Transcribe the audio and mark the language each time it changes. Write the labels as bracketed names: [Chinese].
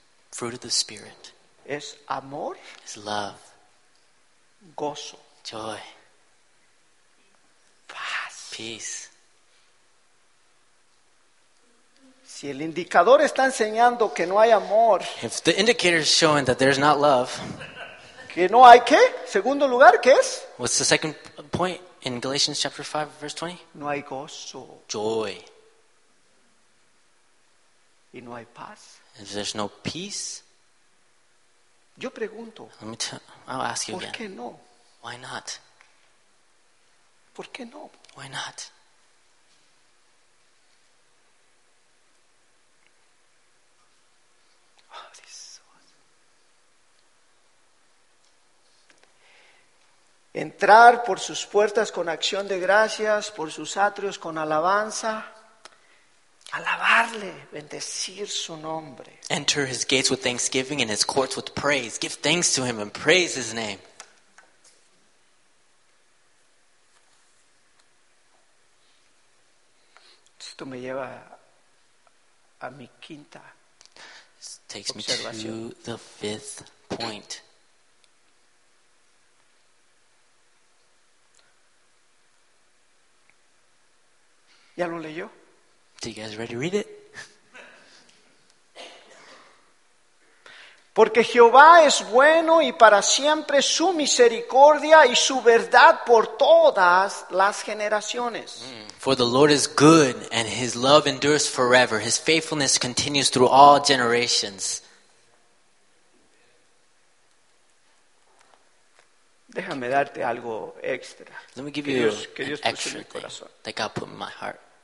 [English] fruit of the Spirit, [Spanish] es amor, [English] is love, [Spanish] gozo, [English] joy, [Spanish] paz, [English] peace. [Spanish] Si el indicador está enseñando que no hay amor, [English] if the indicator is showing that there's not love, [Spanish] que no hay qué? Segundo lugar, ¿qué es? [English] What's the second point in Galatians chapter 5, verse 20? [Spanish] No hay gozo. [English] Joy. [Spanish] Y no hay paz. [English] If there's no peace, [Spanish] yo pregunto, [English] I'll ask you [Spanish] ¿por [English] again. [Spanish] ¿Por qué no? [English] Why not? [Spanish] ¿Por qué no? [English] Why not? [Spanish] Entrar por sus puertas con acción de gracias, por sus atrios con alabanza, alabarle, bendecir su nombre. [English] Enter his gates with thanksgiving and his courts with praise. Give thanks to him and praise his name. [Spanish] Esto me lleva a mi quinta [English] observación. Takes me to the fifth point. [Spanish] ¿Ya lo leyó? [English] So you guys ready to read it? [Spanish] Porque Jehová es bueno y para siempre su misericordia y su verdad por todas las generaciones. [English] For the Lord is good and his love endures forever. His faithfulness continues through all generations. [Spanish] Déjame darte algo extra. [English] Let me give you an extra thing that God put in my heart.